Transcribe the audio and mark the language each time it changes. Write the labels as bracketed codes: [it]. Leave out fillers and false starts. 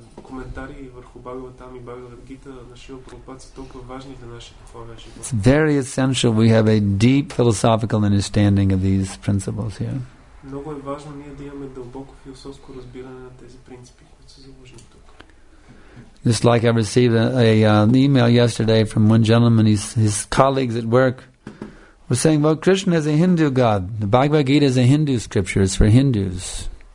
[bg] Коментари върху Бхагаватам и Бхагавад Гита на Шрила Прабхупада са толкова важни за нашия духовен живот. [en] It's very essential we have a deep philosophical understanding of these principles here. [bg] Много е важно ние да имаме дълбоко философско разбиране на тези принципи, които са заложени тук. [en] Just like I received an email yesterday from one gentleman, his colleagues at work We're saying, well, Krishna is a Hindu god. The Bhagavad Gita is a Hindu scripture. It's for Hindus.